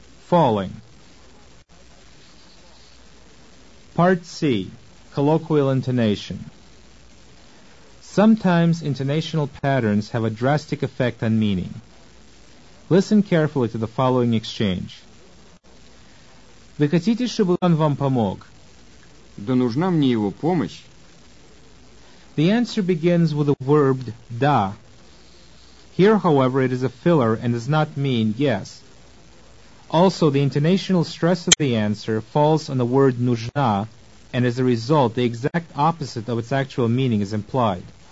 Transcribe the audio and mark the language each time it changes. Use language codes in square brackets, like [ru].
[en] Falling. Part C. Colloquial intonation. Sometimes intonational patterns have a drastic effect on meaning. Listen carefully to the following exchange. [ru] Вы хотите, чтобы он вам помог? Да нужна мне его помощь. [en] The answer begins with the verb «да». Here, however, it is a filler and does not mean «yes». Also, the intonational stress of the answer falls on the word нужна, and as a result, the exact opposite of its actual meaning is implied.